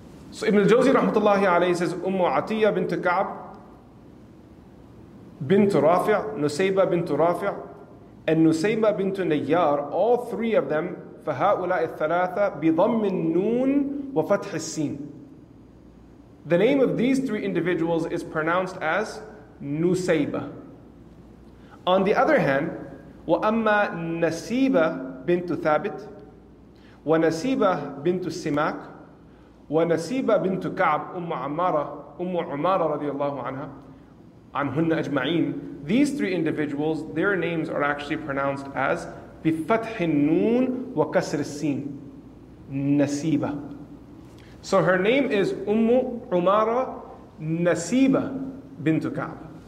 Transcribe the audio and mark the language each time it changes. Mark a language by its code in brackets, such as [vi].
[en] So Ibn al-Jawzi rahmatullahi alayhi says Ummu Atiyah bint Ka'b bint Rafi', Nusayba bint Rafi', and Nusayba bint Nayyar, all three of them, [ar] فَهَؤُلَاءِ الثَّلَاثَ بِضَمِّ النُّونَ وَفَتْحِ السِّينَ. [en] The name of these three individuals is pronounced as Nusayba. On the other hand, [ar] وَأَمَّا نَسِيبَ بِنْتُ ثَابِتْ وَنَسِيبَ بِنْتُ السِّمَاكِ وَنَسِيبَ بِنْتُ كَعْبْ أُمُّ عُمَارَ رَضِيَ anha. عَنْهُنَّ أَجْمَعِينَ. [en] These three individuals, their names are actually pronounced as [ar] بِفَتْحِ النُّونَ وَكَسْرِ السِّينَ نَسِيبَ. [en] So her name is Ummu Umara Nasiba bint Ka'b.